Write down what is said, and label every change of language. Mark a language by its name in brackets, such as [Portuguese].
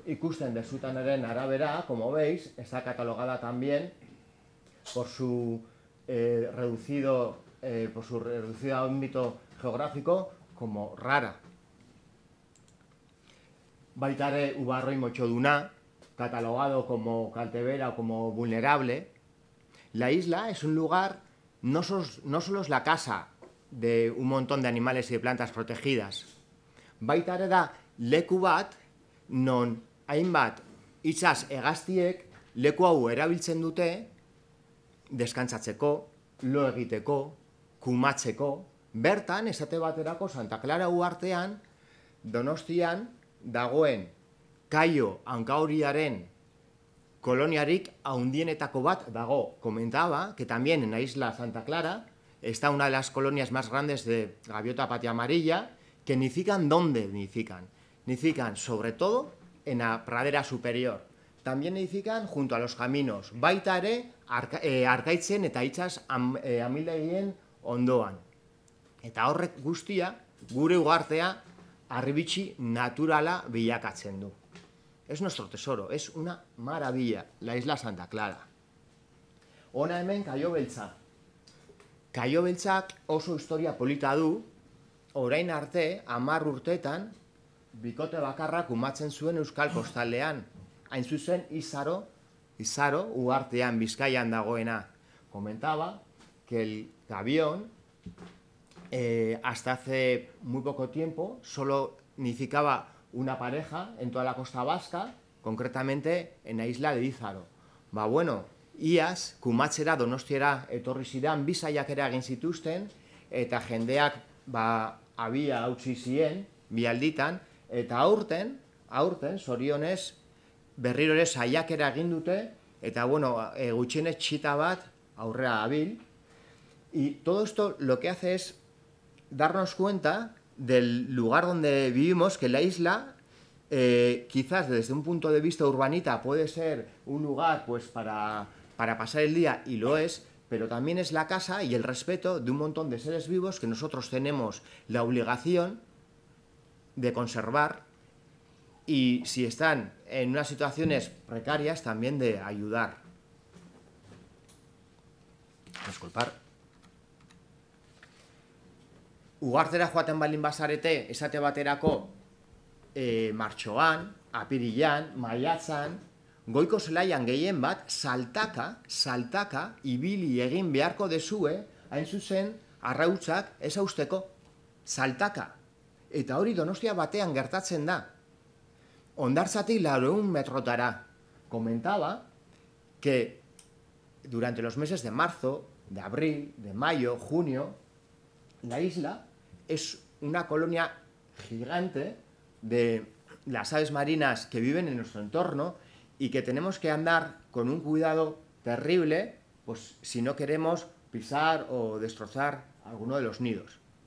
[Basque] Ikusten dezutanaren arabera, [Spanish] como veis, está catalogada también por su reducido ámbito geográfico como rara. [Basque] Baitare ubarroi motxoduna, [Spanish] catalogado como caltebera o como vulnerable. La isla es un lugar, no solo es la casa de un montón de animales y de plantas protegidas. [Basque] Baitare da leku bat, non hainbat itxas hegaztiek leku hau erabiltzen dute deskantzatzeko, lo egiteko, kumatzeko. Bertan, esate baterako Santa Clara uartean, Donostian dagoen Kaio Ankauriaren koloniarik haundienetako bat dago. [Spanish] Komentaba que tamien en la isla Santa Clara está una de las colonias más grandes de gaviota patiamarilla, que nidifican donde nidifican sobre todo en la pradera superior. También edifican junto a los caminos. [Basque] Baita ere, arkaitzen eta itxas amildegien ondoan. Eta horrek guztia, gure ugartea, harribitxi naturala bilakatzen du. [Spanish] Es nuestro tesoro, es una maravilla, la isla Santa Clara. [Basque] Hona hemen, Kaio Beltza. Kaio Beltzak oso historia polita du, orain arte, 10 urteetan, bikote bakarra kumatzen zuen Euskal Kostaldean, hain zuzen Izaro, uartean, Bizkaian dagoena. [Spanish] Komentaba, que el gabión, hasta hace muy poco tiempo, solo nidificaba una pareja en toda la costa vasca, concretamente en la isla de Izaro. [Basque] Ba bueno, iaz, kumatzera, donostiera, etorri zidan, bizaiak ere egin zituzten, eta jendeak, ba, abia hautsi zien, bialditan, eta aurten, zorionez, berriro ere saiakera egin dute, eta, bueno, gutxienez txita bat aurrera abil. [Spanish] Y todo esto lo que hace es darnos cuenta del lugar donde vivimos, que la isla, quizás desde un punto de vista urbanita, puede ser un lugar pues para pasar el día, y lo es, pero también es la casa y el respeto de un montón de seres vivos que nosotros tenemos la obligación de conservar, y si están en unas situaciones precarias, también de ayudar. Disculpar. [Basque] Ugartera joaten balin bazarete, esate baterako, martxoan, apirilan, maiatzan, goiko zelaian gehien bat, saltaka, ibili egin beharko dezue, hain zuzen, arrautzak ez hausteko, saltaka. Eta hori Donostia batean gertatzen da. Ondartzatik 400 metrotara. [Spanish] Komentaba, que durante los meses de marzo, de abril, de mayo, junio, la isla es una colonia gigante de las aves marinas que viven en nuestro entorno y que tenemos que andar con un cuidado terrible, pues si no queremos pisar o destrozar alguno de los nidos.